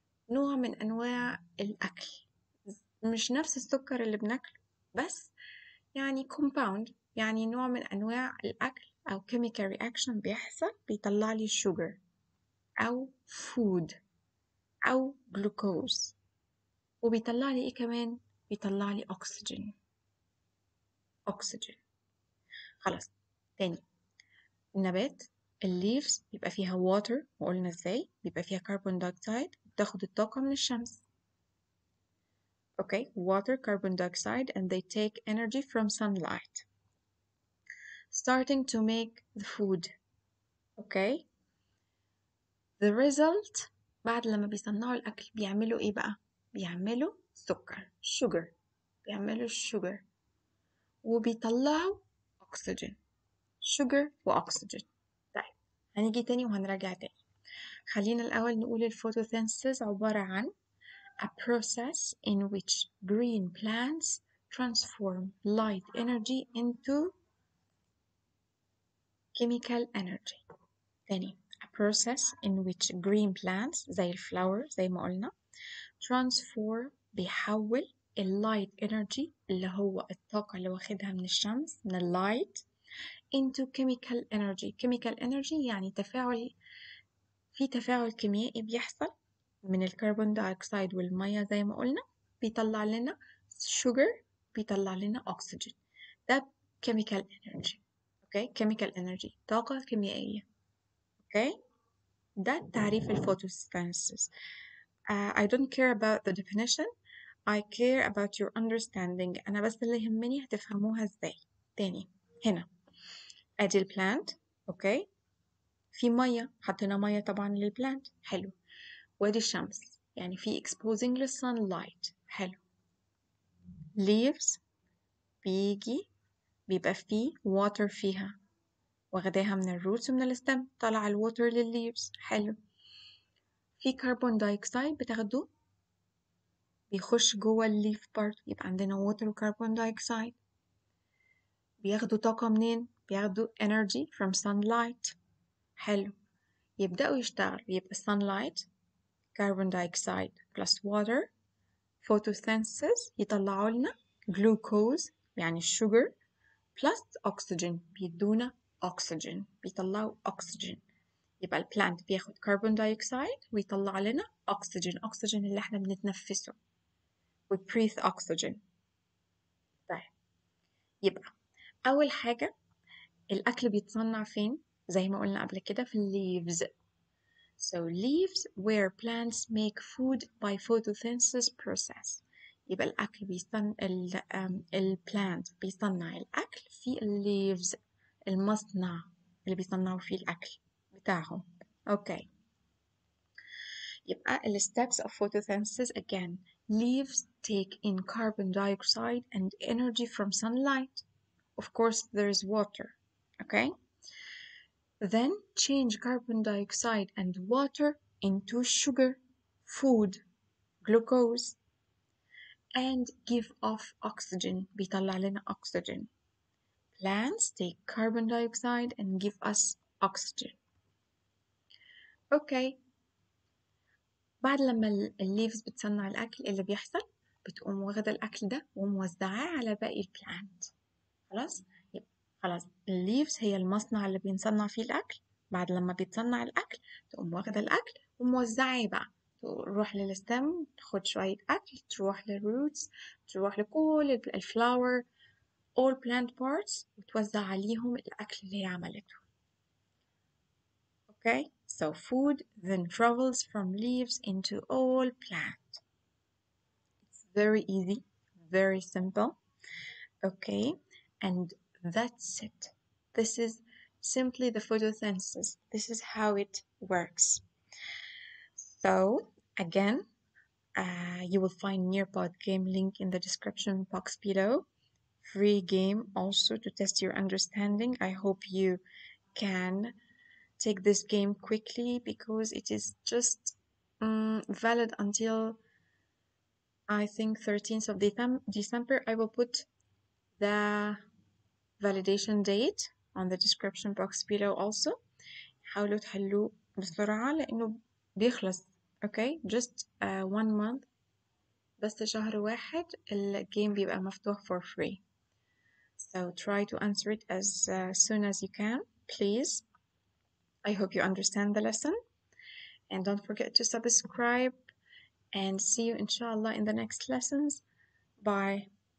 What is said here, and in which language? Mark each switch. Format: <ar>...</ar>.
<ar>نوع من انواع الاكل، مش نفس السكر اللي بناكله، بس يعني كومباوند، يعني نوع من أنواع الأكل أو</ar> <en>chemical reaction</en> <ar>بيحصل بيطلع لي sugar أو food أو glucose، وبيطلع لي إيه كمان؟ بيطلع لي oxygen.</ar> <en>oxygen.</en> <ar>خلاص، تاني النبات الليفز بيبقى فيها water، وقلنا إزاي بيبقى فيها carbon dioxide، بتاخد الطاقة من الشمس،</ar> <en>okay water carbon dioxide and they take energy from sunlight starting to make the food. Okay. The result,</en> <ar>بعد لما بيصنعوا الأكل بيعملوا إيه بقى؟ بيعملوا سكر.</ar> <en>Sugar.</en> <ar>بيعملوا sugar. وبيطلعوا oxygen. Sugar وoxygen. طيب. هنيجي تاني وهنرجع تاني. خلينا الأول نقول الفوتوسينثيسيس عبارة عن</ar> <en>a process in which green plants transform light energy into chemical energy.</en> <ar>تاني</ar> <en>a process in which green plants</en> <ar>زي الفلاور زي ما قلنا transform بيحول ال</ar> <en>light energy</en> <ar>اللي هو الطاقة اللي واخدها من الشمس من ال light</ar> <en>into chemical energy. chemical energy</en> <ar>يعني تفاعل، في تفاعل كيميائي بيحصل من الكربون دايوكسيد والمية زي ما قلنا، بيطلع لنا sugar، بيطلع لنا oxygen.</ar> <en>ده chemical energy. Okay. Chemical energy.</en> <ar>طاقة كيميائية.</ar> <en>Okay.</en> <ar>ده تعريف الفوتوسينثيسيس.</ar> <en>I don't care about the definition. I care about your understanding.</en> <ar>أنا بس اللي يهمني هتفهموها ازاي. تاني. هنا. ادي البلانت. Okay. في مية. حطينا مية طبعا للبلانت. حلو. وادي الشمس. يعني في</ar> <en>exposing the sunlight.</en> <ar>حلو. Leaves. بيجي. بيبقى فيه water فيها، واخداها من الروتس ومن الستم، طلع الwater للليفز، حلو. في carbon dioxide بتاخده بيخش جوه الليف part، يبقى عندنا water وcarbon dioxide. بياخدوا طاقة منين؟ بياخدوا</ar> <en>energy from sunlight،</en> <ar>حلو. يبدأوا يشتغل، يبقى</ar> <en>sunlight carbon dioxide plus water photosynthesis،</en> <ar>يطلعوا لنا</ar> <en>glucose يعني sugar plus oxygen</en> <ar>بيدونا</ar> <en>oxygen</en> <ar>بيطلعوا</ar> <en>oxygen.</en> <ar>يبقى البلانت بياخد كربون دايوكسيد ويطلع لنا oxygen. oxygen اللي احنا بنتنفسه.</ar> <en>We breathe oxygen.</en> <ar>يبقى أول حاجة الأكل بيتصنع فين؟ زي ما قلنا قبل كده في leaves.</ar> <en>So leaves where plants make food by photosynthesis process.</en> <ar>يبقى الأكل بيصنع ال plant بيصنع الأكل في leaves, المصنع اللي بيصنعوا فيه الأكل بتاعهم.</ar> <en>Okay. يبقى the steps of photosynthesis again. Leaves take in carbon dioxide and energy from sunlight. Of course, there is water. Okay? Then change carbon dioxide and water into sugar, food, glucose, and give off oxygen.</en> <ar>بيطلع لنا oxygen.</ar> <en>Plants take carbon dioxide and give us oxygen. Okay.</en> <ar>بعد لما الليفز بتصنع الأكل اللي بيحصل بتقوم واخدة الأكل ده وموزعاه على باقي البلانت. خلاص؟ خلاص الليفز هي المصنع اللي بينصنع فيه الأكل. بعد لما بيتصنع الأكل تقوم واخدة الأكل وموزعاه بقى, تروح للستم تاخد شوية أكل, تروح للروتس, تروح لكل الفلاور</ar> <en>all plant parts</en> <ar>وتوزع عليهم الأكل اللي هي عملته.</ar> <en>Okay, so food then travels from leaves into all plant. It's very easy, very simple. Okay, and that's it. This is simply the photosynthesis. This is how it works. So, again, you will find Nearpod game link in the description box below. Free game also to test your understanding. I hope you can take this game quickly because it is just valid until I think 13th of December. I will put the validation date on the description box below also.</en> <ar>حاولوا تحلوا بسرعة لأنه بيخلص.</ar> <en>Okay, just 1 month.</en> <ar>بس شهر واحد الgame بيبقى مفتوح</ar> <en>for free. So try to answer it as soon as you can, please. I hope you understand the lesson and don't forget to subscribe and see you inshallah in the next lessons. Bye.</en>